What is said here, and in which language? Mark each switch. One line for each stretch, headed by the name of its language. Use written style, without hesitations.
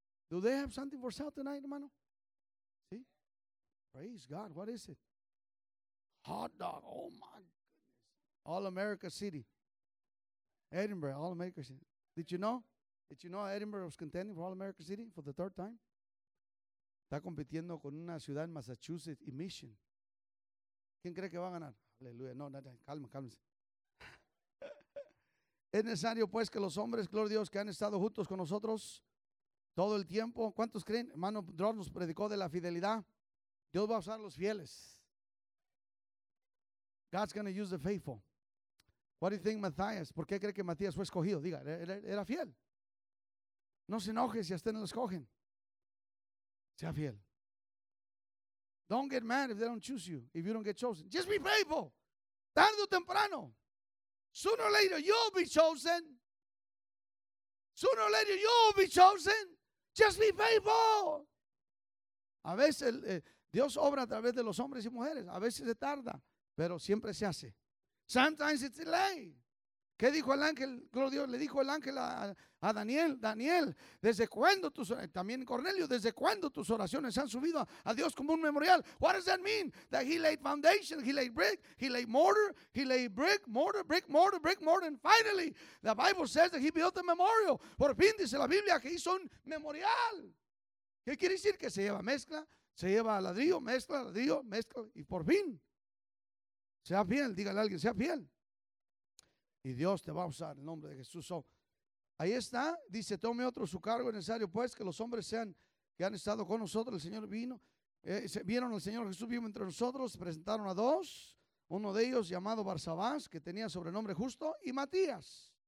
English: Do they have something for sale tonight, hermano? Sí. Praise God, what is it? Hot dog, oh my goodness. All America City. Edinburgh, All America City. Did you know? Did you know Edinburgh was contending for All America City for the third time?
Spanish: Está compitiendo con una ciudad en Massachusetts y Mission. ¿Quién cree que va a ganar? Aleluya. No, cálmese. Es necesario, pues, que los hombres, gloria a Dios, que han estado juntos con nosotros todo el tiempo. ¿Cuántos creen? Hermano Dross nos predicó de la fidelidad. Dios va a usar a los fieles.
English: God's going to use the faithful. What do you think, Matthias?
Spanish: ¿Por qué cree que Matías fue escogido? Diga, era fiel. No se enoje si a usted no lo escogen. Sea fiel.
English: Don't get mad if they don't choose you, if you don't get chosen. Just be faithful.
Spanish: Tarde o temprano.
English: Sooner or later, you'll be chosen. Sooner or later, you'll be chosen. Just be faithful.
Spanish: A veces Dios obra a través de los hombres y mujeres. A veces se tarda, pero siempre se hace.
English: Sometimes it's delayed.
Spanish: ¿Qué dijo el ángel? Gloria a Dios, le dijo el ángel a Daniel. Daniel, ¿desde cuándo tus oraciones? También Cornelio, ¿desde cuándo tus oraciones han subido a Dios como un memorial?
English: What does that mean? That he laid foundation, he laid brick, he laid mortar, he laid brick, mortar, brick, mortar, brick, mortar. And finally, the Bible says that he built a memorial.
Spanish: Por fin dice la Biblia que hizo un memorial. ¿Qué quiere decir? Que se lleva mezcla, se lleva ladrillo, mezcla, y por fin. Sea fiel, dígale a alguien, sea fiel. Y Dios te va a usar en el nombre de Jesús. So, ahí está, dice, tome otro su cargo, es necesario pues que los hombres sean que han estado con nosotros. El Señor vino, vieron al Señor Jesús vivo entre nosotros, se presentaron a dos, uno de ellos llamado Barsabás, que tenía sobrenombre Justo, y Matías.